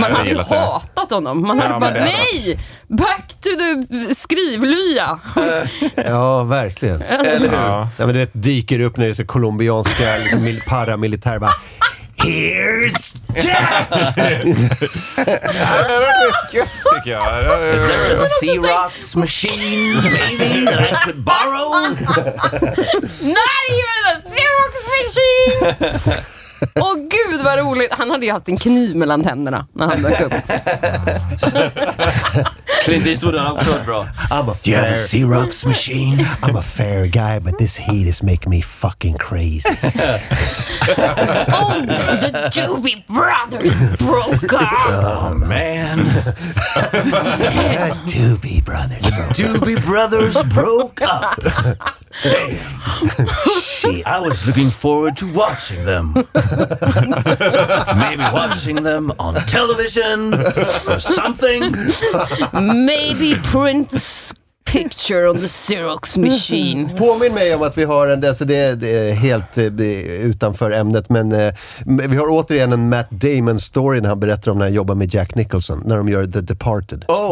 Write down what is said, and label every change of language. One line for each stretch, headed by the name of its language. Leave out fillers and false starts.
Swedish: Man hade ju hatat honom. Man hade bara, nej!
English: Back to the
Swedish: skrivlya. Ja, verkligen. Eller hur? Ja, men det dyker upp när det är så kolumbianska liksom paramilitär.
English: Bara, here's Jack!
Swedish: Det är mycket, tycker jag.
English: Is there a Xerox machine maybe that I could borrow? Not even a Xerox machine!
Swedish: Åh gud vad roligt. Han hade ju haft en kniv mellan tänderna när han dök upp. Clint Eastwood har också varit bra.
English: I'm a fair Xerox machine. I'm a fair guy, but this heat is making me fucking crazy. Oh, the Doobie Brothers broke up. Oh man. Yeah, Doobie Brothers broke up. Doobie Brothers broke up. Damn. Shit, I was looking forward to watching them. Maybe watching them on television or something. Maybe print a picture on the Xerox machine.
Swedish: Påminn mig om att vi har en, alltså det är helt utanför ämnet, men vi har återigen en Matt Damon story när han berättar om när han jobbar med Jack Nicholson när de gör The Departed.